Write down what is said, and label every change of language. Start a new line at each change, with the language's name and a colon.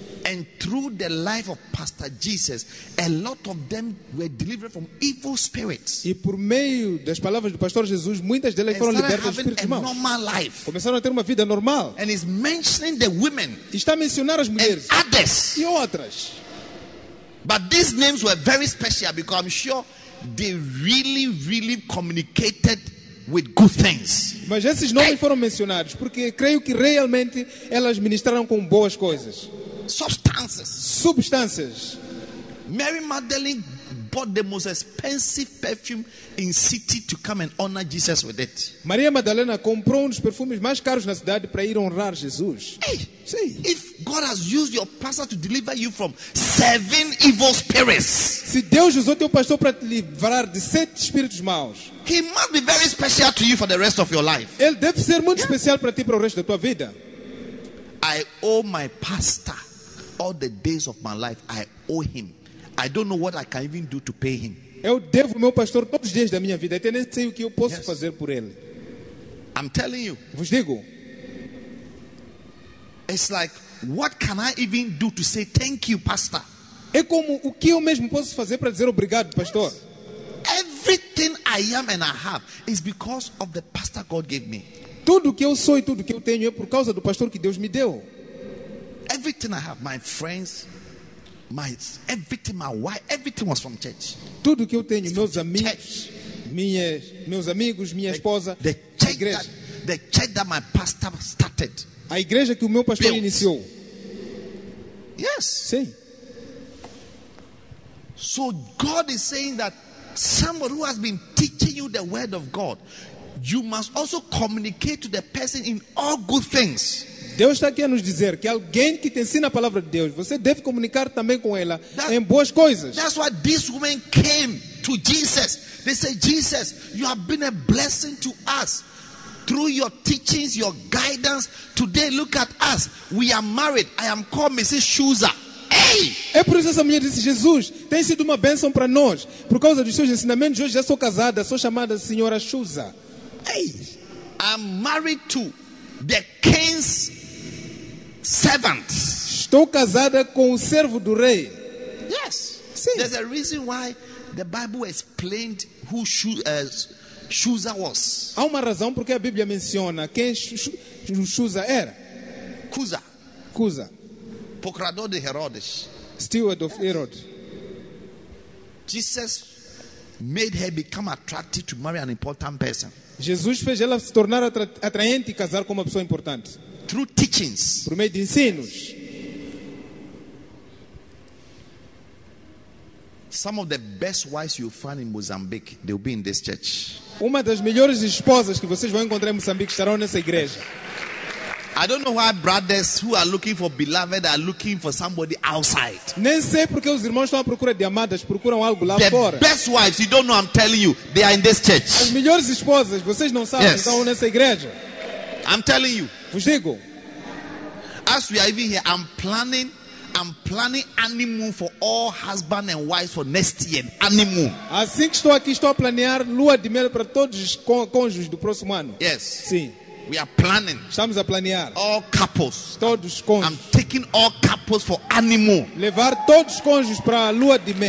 English: And through the life of Pastor Jesus, a lot of them were delivered from evil spirits.
Portuguese: E por meio das palavras do Pastor Jesus, muitas delas foram libertas dos espíritos maus.
English: A normal life.
Portuguese: Começaram a ter uma vida normal.
English: And he's mentioning the women.
Portuguese: Está a mencionar as mulheres.
English: And others.
Portuguese: E outras.
English: But these names were very special because I'm sure they really, really communicated with good things.
Portuguese: Mas esses nomes foram mencionados porque creio que realmente elas ministraram com boas coisas. Substâncias.
English: Mary Magdalene bought the most expensive perfume in city to come and honor Jesus with it.
Portuguese: Maria Madalena comprou um dos perfumes mais caros na cidade para ir honrar Jesus.
English: Hey, see, if God has used your pastor to deliver you from 7 evil spirits.
Portuguese: Se Deus usou teu pastor para te livrar de 7 espíritos maus.
English: He must be very special to you for the rest of your life.
Portuguese: Ele deve ser muito especial para ti para o resto da tua vida.
English: I owe my pastor all the days of my life. I owe him. I don't know what I can even do to pay him.
Portuguese: Eu devo ao meu pastor todos os dias da minha vida. Até nem sei o que eu posso fazer por ele.
English: I'm telling you.
Portuguese: Vos digo.
English: It's like, what can I even do to say thank you, pastor?
Portuguese: É como o que eu mesmo posso fazer para dizer obrigado, pastor?
English: Everything I am and I have is because of the pastor God gave me.
Portuguese: Tudo que eu sou e tudo que eu tenho é por causa do pastor que Deus me deu.
English: Everything I have, my friends, my everything, my wife, everything was from church.
Portuguese: Tudo que eu tenho, it's meus amigos, meus amigos, minha esposa,
English: the igreja, that, the church that my pastor started.
Portuguese: A igreja que o meu pastor built. Iniciou.
English: Yes.
Portuguese: Sim.
English: So God is saying that someone who has been teaching you the word of God, you must also communicate to the person in all good things.
Portuguese: Deus está aqui a nos dizer que alguém que te ensina a palavra de Deus, você deve comunicar também com ela em boas coisas.
English: That's why this woman came to Jesus. They said, Jesus, you have been a blessing to us through your teachings, your guidance. Today, look at us. We are married. I am called Mrs. Shuza. Hey!
Portuguese: É por isso que essa mulher disse, Jesus, tem sido uma bênção para nós. Por causa dos seus ensinamentos, hoje já sou casada, sou chamada Senhora Shuza.
English: Hey! I'm married to the king's servant.
Portuguese: Estou casada com o servo do rei.
English: Yes.
Portuguese: Sim.
English: There's a reason why the Bible explained who Shuza was.
Portuguese: Há uma razão porque a Bíblia menciona quem Shuza era. Cusa. Cusa. Procurador de Herodes.
English: Steward of Herod. Jesus made her become attracted to marry an important person.
Portuguese: Jesus fez ela se tornar atraente e casar com uma pessoa importante.
English: Through teachings.
Portuguese: Por meio de ensinos.
English: Some of the best wives you find in Mozambique, they'll be in this church.
Portuguese: Uma das melhores esposas que vocês vão encontrar em Moçambique estarão nessa igreja.
English: I don't know why brothers who are looking for beloved are looking for somebody outside.
Portuguese: Nem sei porque os irmãos estão à procura de amadas, procuram algo lá fora.
English: The best wives, you don't know, I'm telling you, they are in this church.
Portuguese: As melhores esposas, vocês não sabem, yes, estão nessa igreja.
English: I'm telling you.
Portuguese: Vos digo.
English: As we are even here, I'm planning honeymoon for all husband and wife for next year. Honeymoon.
Portuguese: Assim que estou aqui, estou a planear lua de mel para todos os cônjuges do próximo ano.
English: Yes.
Portuguese: Sim.
English: We are planning.
Portuguese: Estamos a planear.
English: All couples.
Portuguese: Todos os cônjuges.
English: I'm taking all couples for honeymoon.
Portuguese: Levar todos os cônjuges para a lua de mel.